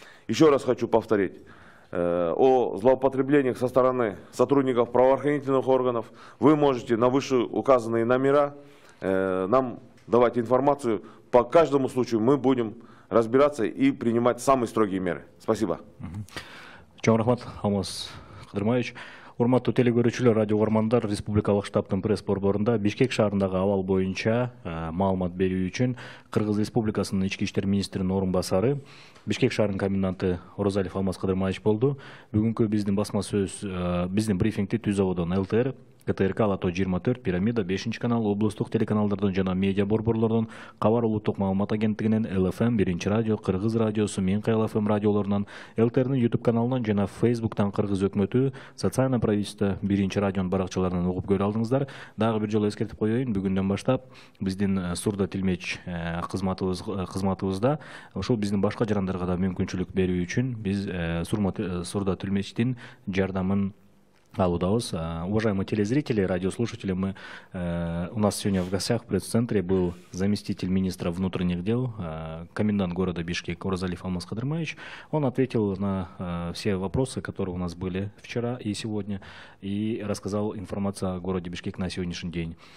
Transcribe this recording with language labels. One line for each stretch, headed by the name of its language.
Russian: Еще раз хочу повторить о злоупотреблениях со стороны сотрудников правоохранительных органов, вы можете на вышеуказанные номера нам давать информацию. По каждому случаю мы будем разбираться и принимать самые строгие меры. Спасибо.
Kyrgyz: Чоң рахмат, Алмаз Кыдырмаевич. Урматтуу телекөрүүчүлөр, радио угармандар, Республикалык штабтын пресс-борборунда Бишкек шаарындагы абал боюнча маалымат берүү үчүн Кыргыз Республикасынын ички иштер министринин орун басары, Бишкек шаарынын коменданты Орозалиев Алмаз Кыдырмаевич болду. Бүгүнкү биздин басма сөз, биздин брифингди Түз Ободон ЛТР, КТРК, Лато 24, Пирамида, 5-чи канал, облустук телеканалдардан жана медиа борборлордон, Кабар улуттук маалымат агенттигинен, ЛФМ, 1-чи радио, Кыргыз радиосу, Минкай ЛФМ радиолорунан, ЛТРнин YouTube каналынан жана Facebook'тан Кыргыз өкмөтү, социально правительство, 1-чи радион баракчаларынан угуп көрө алдыңыздар. Дагы бир жолу эскертип коеюн, бүгүндөн баштап биздин сурдо тилмеч кызматыбызда ушул биздин башка жарандарга да мүмкүнчүлүк берүү үчүн биз сурдо тилмечтин жардамын алудабыз.
Russian: Уважаемые телезрители, радиослушатели, мы у нас сегодня в гостях в пресс-центре был заместитель министра внутренних дел, комендант города Бишкек Орозалиев Алмаз Кыдырмаевич. Он ответил на все вопросы, которые у нас были вчера и сегодня, и рассказал информацию о городе Бишкек на сегодняшний день.